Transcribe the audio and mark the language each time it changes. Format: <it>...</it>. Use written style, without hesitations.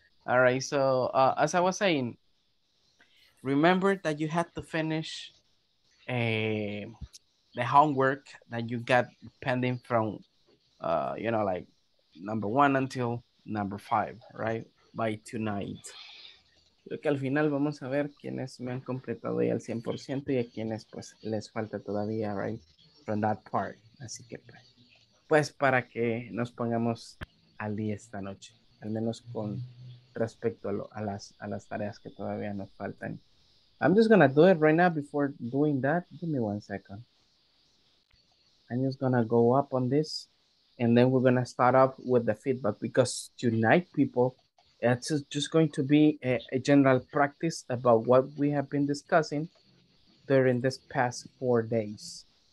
<en>All right, so as I was saying, remember that you had to finish the homework that you got pending from, you know, like number one until number five, right? By tonight.</en> <es>Creo que al final vamos a ver quiénes me han completado ya al 100% y a quiénes pues les falta todavía, right?</es> <en>From that part.</en> <es>Así que pues para que nos pongamos al día esta noche, al menos con respecto a las tareas que todavía nos faltan.</es> <en>I'm just gonna do it right now before doing that. Give me one second. I'm just gonna go up on this and then we're gonna start up with the feedback because tonight, people, it's just going to be a general practice about what we have been discussing during this past 4 days.</en>